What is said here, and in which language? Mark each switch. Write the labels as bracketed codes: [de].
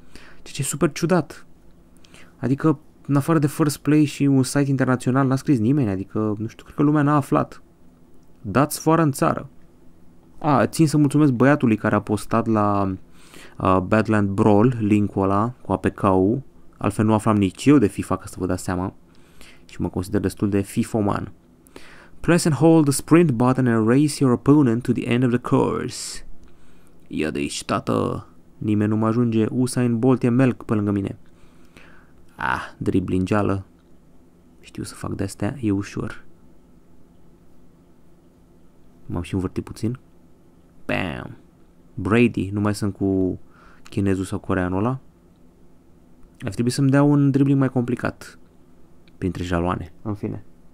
[ro] Ceea ce e super ciudat. Adică, în afară de First Play și un site internațional, n-a scris nimeni, adică, nu știu, cred că lumea n-a aflat. Dați fără în țară. Țin să mulțumesc băiatului care a postat la Badland Brawl, link-ul ăla, cu APK-ul. Altfel nu aflam nici eu de FIFA, ca să vă dați seama. Și mă consider destul de FIFA-man. [en] Press and hold the sprint button and race your opponent to the end of the course. [ro] Ia de aici, tată. Nimeni nu mă ajunge. Usain Bolt e melc pe lângă mine. Driblingeală. Știu să fac de-astea. E ușor. M-am și învârtit puțin. Bam. Brady. Nu mai sunt cu chinezul sau coreanul ăla. Ar trebui să-mi dea un dribbling mai complicat printre jaloane. În fine.